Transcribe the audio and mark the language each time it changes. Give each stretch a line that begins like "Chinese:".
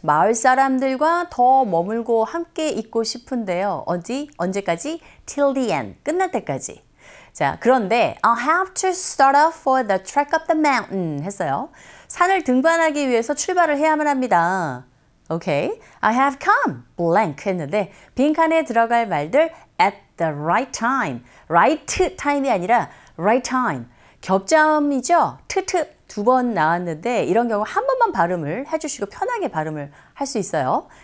Korean: 마을 사람들과 더 머물고 함께 있고 싶은데요. 어디? 언제까지?
English: Till the end.
Korean: 끝날 때까지. 자, 그런데
English: I'll have to start off for the trek up the mountain
Korean: 했어요. 산을 등반하기 위해서 출발을 해야만 합니다.
English: Okay. I have come. blank
Korean: 했는데 빈칸에 들어갈 말들
English: at the right time.
Korean: right time이 아니라 right time. 겹자음이죠? 트트 두 번 나왔는데 이런 경우 한 번만 발음을 해주시고 편하게 발음을 할 수 있어요.